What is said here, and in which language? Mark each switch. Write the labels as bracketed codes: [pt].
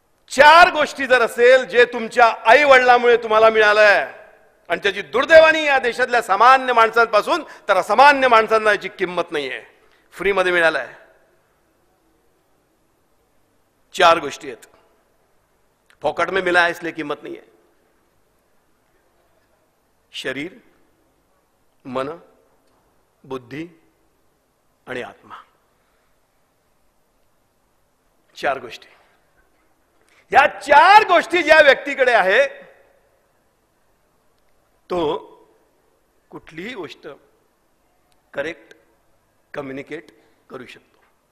[mr] 4 गोष्टी जर असेल जे तुमच्या आई वडिलांमुळे तुम्हाला मिळालंय आणि त्याची दुर्दैवानी या देशातल्या सामान्य माणसांपासून तर असामान्य माणसांना याची किंमत नाहीये, फ्रीमध्ये मिळालंय. 4 गोष्टी आहेत, [hi] फोकट में मिला है इसलिए किंमत नहीं है. [mr] शरीर, मन, बुद्धि आणि आत्मा, 4 गोष्टी. या 4 गोष्टी ज्या व्यक्तीकडे आहे तो कुठलीही गोष्ट करेक्ट कम्युनिकेट करू शकतो.